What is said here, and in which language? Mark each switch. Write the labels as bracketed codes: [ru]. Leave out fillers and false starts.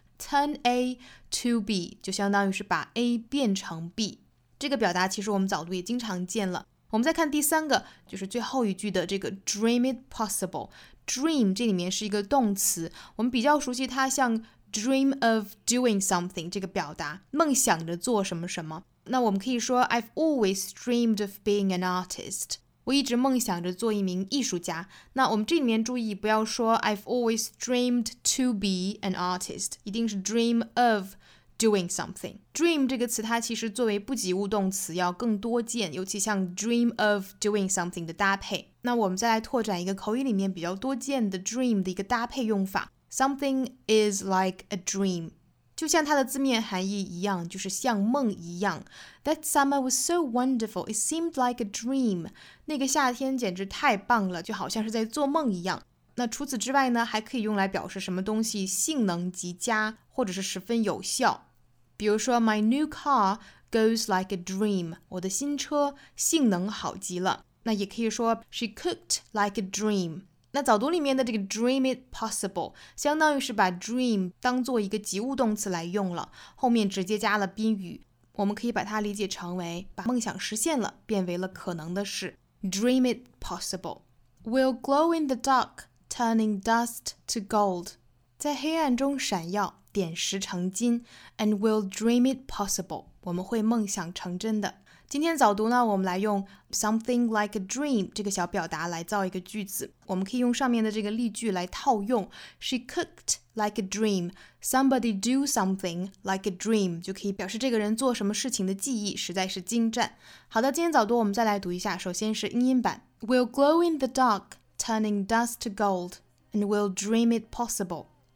[zh] turn A to B 就相当于是把 A 变成 B， 这个表达其实我们早读也经常见了。我们再看第三个，就是最后一句的这个 dream it possible。 dream 这里面是一个动词，我们比较熟悉它像 dream of doing something 这个表达，梦想着做什么什么。那我们可以说 [en] I've always dreamed of being an artist， [zh] 我一直梦想着做一名艺术家。那我们这里面注意不要说 [en] I've always dreamed to be an artist， [zh] 一定是 dream of doing something。 dream 这个词它其实作为不及物动词要更多见，尤其像 dream of doing something 的搭配。那我们再来拓展一个口语里面比较多见的 dream 的一个搭配用法， [en] something is like a dream， [zh] 就像它的字面含义一样，就是像梦一样。 [en] That summer was so wonderful, it seemed like a dream. [zh] 那个夏天简直太棒了，就好像是在做梦一样。那除此之外呢，还可以用来表示什么东西性能极佳，或者是十分有效。比如说 [en] My new car goes like a dream， [zh] 我的新车性能好极了。那也可以说 [en] She cooked like a dream。 [zh] 那早读里面的这个 dream it possible 相当于是把 dream 当做一个及物动词来用了，后面直接加了宾语，我们可以把它理解成为把梦想实现了变为了可能的事。 [en] Dream it possible. Will glow in the dark, turning dust to gold. [zh] 在黑暗中闪耀，点石成金。 [en] And will dream it possible. [zh] 我们会梦想成真的。今天早读呢，我们来用 something like a dream 这个小表达来造一个句子。我们可以用上面的这个例句来套用， [en] She cooked like a dream， Somebody do something like a dream [zh] 就可以表示这个人做什么事情的技艺实在是精湛。好的，今天早读我们再来读一下，首先是英音版。 [en] Will glow in the dark, turning dust to gold, and will dream it possible.